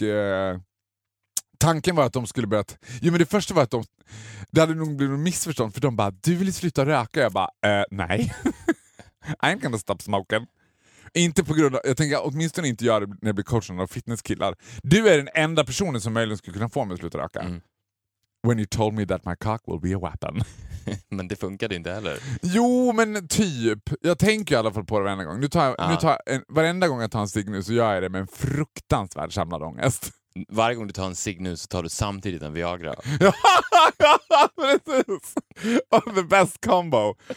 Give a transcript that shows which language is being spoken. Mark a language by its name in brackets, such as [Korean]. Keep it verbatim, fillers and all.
[Swedish] Eh, tanken var att de skulle börja... Jo, men det första var att de... Det hade nog blivit missförstånd. För de bara, du vill sluta röka. Jag bara, eh, nej. [English] I'm gonna stop smoking. [Swedish] Inte på grund av... Jag tänker åtminstone inte göra det när jag blir coachad av fitnesskillar. Du är den enda personen som möjligen skulle kunna få mig att sluta röka. Mm. [English] When you told me that my cock will be a weapon. [Swedish] Men det funkade inte heller. Jo, men typ. Jag tänker i alla fall på det varenda gång. Nu tar jag, ah. nu tar jag en, varenda gång jag tar en cigg nu så gör jag det med en fruktansvärd samlad ångest. Varje gång du tar en cigg nu så tar du samtidigt en Viagra. Ja, precis. [English] Oh, the best combo.